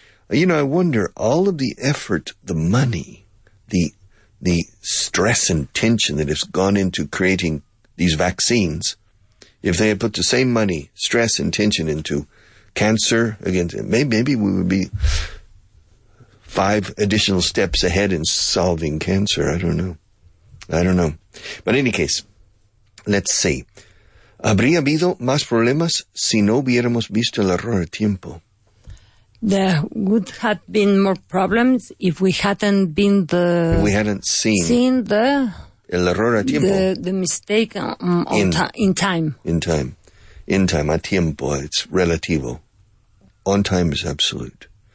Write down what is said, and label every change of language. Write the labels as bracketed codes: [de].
[en] You know, I wonder, all of the effort, the money, the stress and tension that has gone into creating these vaccines, if they had put the same money, stress and tension into cancer, maybe we would be five additional steps ahead in solving cancer. I don't know. But in any case, let's see. [es] ¿Habría habido más problemas si no hubiéramos visto el error a tiempo? [en] There would have been more problems if we hadn't been the... If we hadn't seen the... [es] El error a tiempo. [en] The mistake in time. In time. In time, a tiempo, it's relativo. On time is absolute.